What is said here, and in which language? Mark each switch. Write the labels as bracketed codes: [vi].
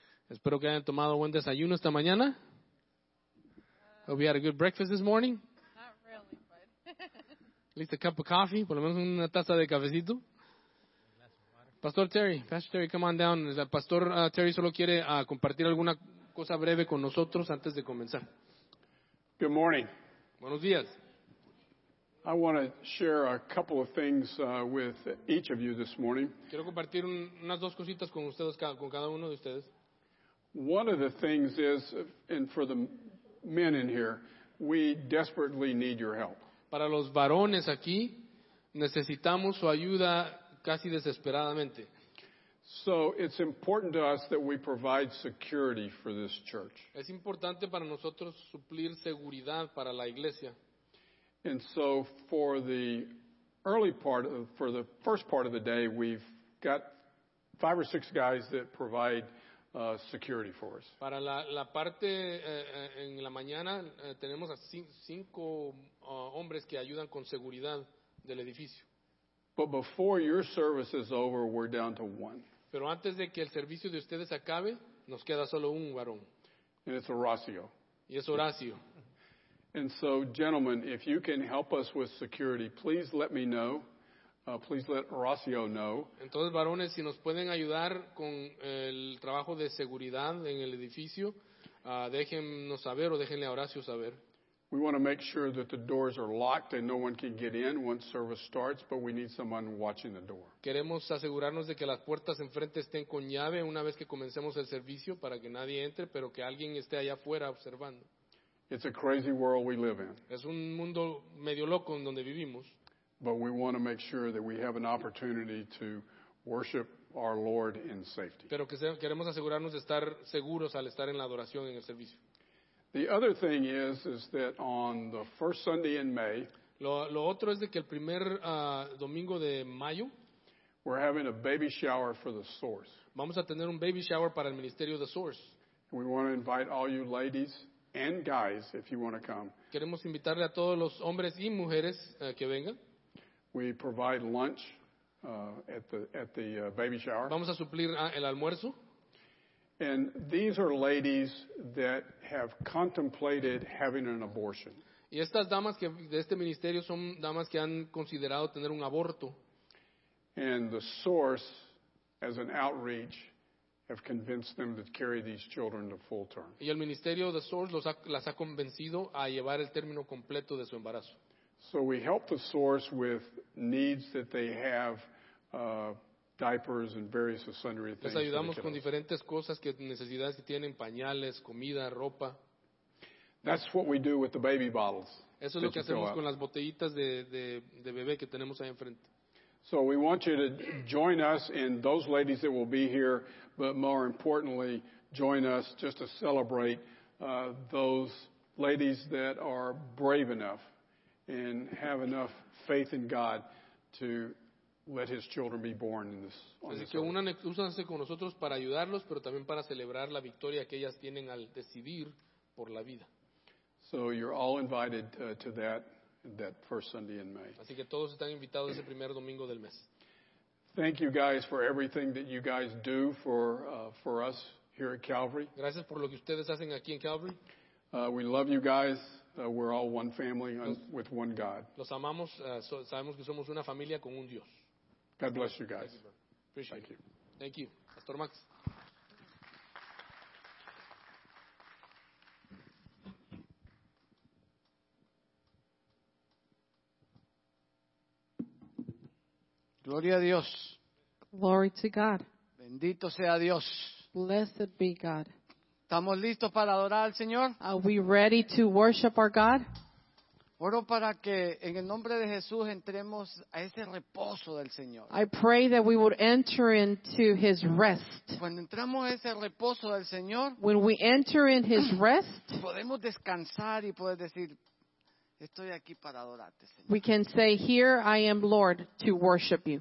[es] Espero que hayan tomado buen desayuno esta mañana. [en] Hope you had a good breakfast this morning. Not really, but... At least a cup of coffee, [es] por lo menos una taza de cafecito. [en] Pastor Terry, come on down. [es] Pastor Terry solo quiere compartir alguna cosa breve con nosotros antes de comenzar. [en] Good morning. [es] Buenos días. [en] I want to share a couple of things with each of you this morning. [es] Quiero compartir unas dos cositas con ustedes, con cada uno de ustedes. [en] One of the things is, and for the men in here, we desperately need your help. [es] Para los varones aquí, necesitamos su ayuda casi desesperadamente. [en] So it's important to us that we provide security for this church. [es] Es importante para nosotros suplir seguridad para la iglesia. [en] And so for the early part of, for the first part of the day, we've got five or six guys that provide security for us. [es] Para la parte en la mañana tenemos a cinco hombres que ayudan con seguridad del edificio. [en] But before your service is over, we're down to one. [es] Pero antes de que el servicio de ustedes acabe, nos queda solo un varón. [en] And it's Horacio. [es] Y es Horacio. [en] And so, gentlemen, if you can help us with security, please let me know. Please let Horacio know. [es] Entonces, varones, si nos pueden ayudar con el trabajo de seguridad en el edificio, déjennos saber o déjenle a Horacio saber. [en] We want to make sure that the doors are locked and no one can get in once service starts, but we need someone watching the door. [es] Queremos asegurarnos de que las puertas enfrente estén con llave una vez que comencemos el servicio para que nadie entre, pero que alguien esté allá afuera observando. [en] It's a crazy world we live in. [es] Es un mundo medio loco en donde vivimos. [en] But we want to make sure that we have an opportunity to worship our Lord in safety. [es] Pero queremos asegurarnos de estar seguros al estar en la adoración en el servicio. [en] The other thing is that on the first Sunday in May, [es] lo otro es de que el primer domingo de mayo, [en] we're having a baby shower for the Source. [es] Vamos a tener un baby shower para el ministerio de Source. [en] And we want to invite all you ladies and guys if you want to come. [es] Queremos invitarle a todos los hombres y mujeres que vengan. [en] We provide lunch at the baby shower. [es] Vamos a suplir el almuerzo. [en] And these are ladies that have contemplated having an abortion. [es] Y estas damas que de este ministerio son damas que han considerado tener un aborto. [en] And the Source, as an outreach, have convinced them to carry these children to full term. [es] Y el ministerio de Source las ha convencido a llevar el término completo de su embarazo. [en] So we help the Source with needs that they have. Diapers and various sundry things. [es] Les ayudamos con diferentes cosas que necesidades que tienen, pañales, comida, ropa. [en] That's what we do with the baby bottles. [es] Eso es lo que hacemos con las botellitas de bebé que tenemos ahí enfrente. [en] So we want you to join us and those ladies that will be here, but more importantly, join us just to celebrate those ladies that are brave enough and have enough faith in God to let his children be born in this. [es] Así que únanse con nosotros para ayudarlos, pero también para celebrar la victoria que ellas tienen al decidir por la vida. [en] So you're all invited to that first Sunday in May. [es] Así que todos están invitados ese primer domingo del mes. [en] Thank you guys for everything that you guys do for us here at Calvary. [es] Gracias por lo que ustedes hacen aquí en Calvary. [en] We love you guys. We're all one family with one God. [es] Los amamos, sabemos que somos una familia con un Dios. [en] God bless you guys. Thank you. Thank you. Pastor Max. [es] Gloria a Dios. [en] Glory to God. [es] Bendito sea Dios. [en] Blessed be God. [es] ¿Estamos listos para adorar al Señor? [en] Are we ready to worship our God? [es] Oro para que en el nombre de Jesús entremos a ese reposo del Señor. [en] I pray that we would enter into his rest. [es] Cuando entramos a ese reposo del Señor, [en] when we enter in his rest, [es] podemos descansar y poder decir, estoy aquí para adorarte, Señor. [en] We can say, here I am, Lord, to worship you.